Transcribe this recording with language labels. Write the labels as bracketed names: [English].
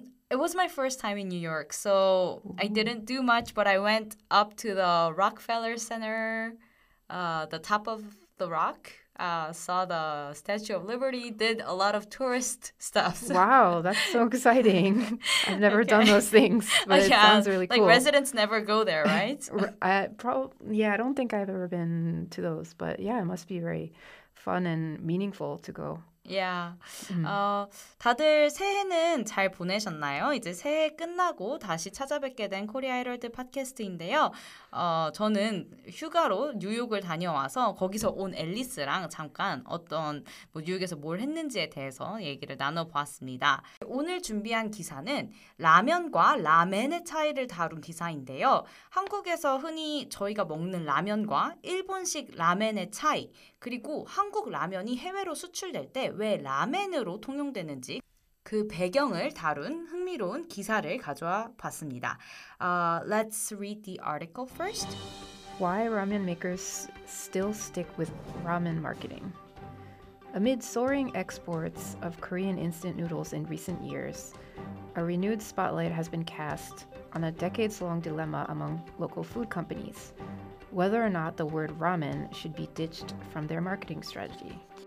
[English] It was my first time in New York, so I didn't do much, but I went up to the Rockefeller Center, the top of the rock, saw the Statue of Liberty, did a lot of tourist stuff. Wow, that's so exciting. I've never done those things, but it sounds really cool. Like, residents never go there, right? I don't think I've ever been to those, but yeah, it must be very fun and meaningful to go. Yeah. [Korean] 다들 새해는 잘 보내셨나요? 이제 새해 끝나고 다시 찾아뵙게 된 코리아 헤럴드 팟캐스트인데요. 저는 휴가로 뉴욕을 다녀와서 거기서 온 앨리스랑 잠깐 어떤 뭐 뉴욕에서 뭘 했는지에 대해서 얘기를 나눠보았습니다. 오늘 준비한 기사는 라면과 라멘의 차이를 다룬 기사인데요. 한국에서 흔히 저희가 먹는 라면과 일본식 라멘의 차이, 그리고 한국 라면이 해외로 수출될 때 왜 라멘으로 통용되는지 그 배경을 다룬 흥미로운 기사를 가져와 봤습니다. [English] Let's read the article first. Why ramen makers still stick with ramen marketing? Amid soaring exports of Korean instant noodles in recent years, a renewed spotlight has been cast on a decades-long dilemma among local food companies, whether or not the word ramen should be ditched from their marketing strategy.